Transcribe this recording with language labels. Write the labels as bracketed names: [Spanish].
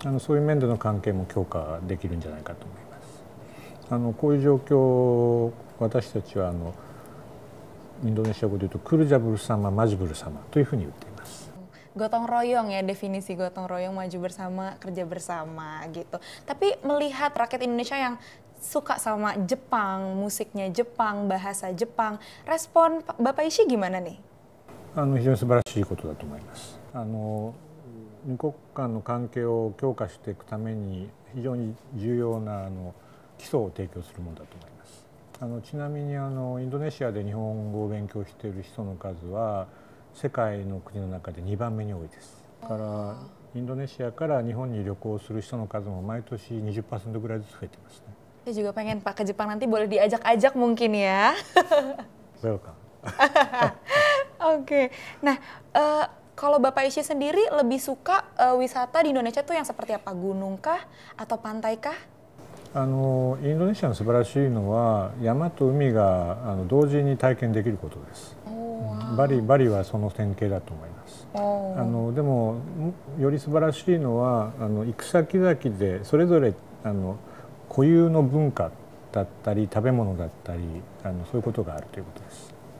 [Japanese] そういう面での関係も強化できるんじゃないかと思います。こういう状況を私たちはインドネシア語で言うとクルジャブル様、マジブル様というふうに言っています。 [Indonesian] ゴトンロヨンや、definisi ゴトンロヨン、マジブル様、クルジャブル様、gitu。 Tapi melihat rakyat Indonesia yang suka sama Jepang, musiknya Jepang, bahasa Jepang, respon Bapak Ishi gimana nih? [Japanese] 非常に素晴らしいことだと思います。二国間の関係を強化していくために非常に重要な基礎を提供するものだと思います。ちなみにインドネシアで日本語を勉強している人の数は世界の国の中で2番目に多いです。だからインドネシアから日本に旅行する人の数も毎年 20% ぐらいずつ増えてますね。 [Indonesian] Saya juga pengen Pak ke Jepang nanti boleh diajak-ajak mungkin ya. [English] Welcome. [Indonesian] Oke. Nah, kalau Bapak Ishi sendiri lebih suka wisata di Indonesia tuh yang seperti apa? Gunung kah atau pantai kah? [Japanese] インドネシアの素晴らしいのは山と海が同時に体験できることです。バリはその典型だと思います。でもより素晴らしいのは行く先々でそれぞれ固有の文化だったり食べ物だったりそういうことがあるということです。